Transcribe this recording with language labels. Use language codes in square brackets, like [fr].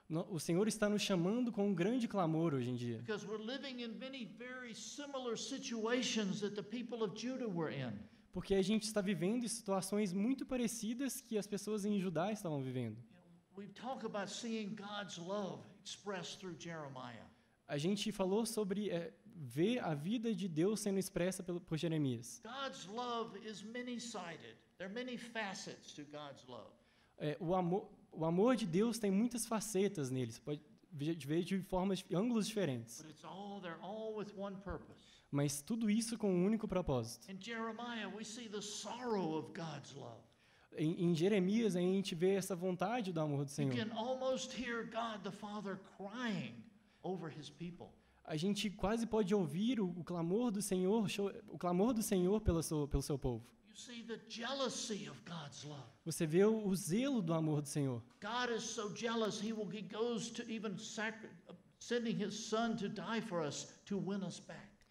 [pt] O Senhor está nos chamando com um grande clamor hoje em dia. Porque estamos vivendo em muitas similares situações que as pessoas de Judá estavam. Porque a gente está vivendo situações muito parecidas que as pessoas em Judá estavam vivendo. [en] We talk about seeing God's love expressed through Jeremiah. [pt] A gente falou sobre ver a vida de Deus sendo expressa por Jeremias. [en] God's love is many-sided. There are many facets to God's love. [pt] O amor de Deus tem muitas facetas nele. Pode, vejo de formas, ângulos diferentes. [en] All with one purpose. [pt] Mas tudo isso com um único propósito. [en] In Jeremiah, we see the sorrow of God's love. [pt] Em Jeremias, a gente vê essa vontade do amor do Senhor. [en] You can almost hear God the Father crying over his people. [pt] A gente quase pode ouvir o clamor do Senhor, o clamor do Senhor pelo seu povo. [en] You see the jealousy of God's love. [pt] Você vê o zelo do amor do Senhor. [en] God is so jealous, he goes to even sending his son to die for us to win us back.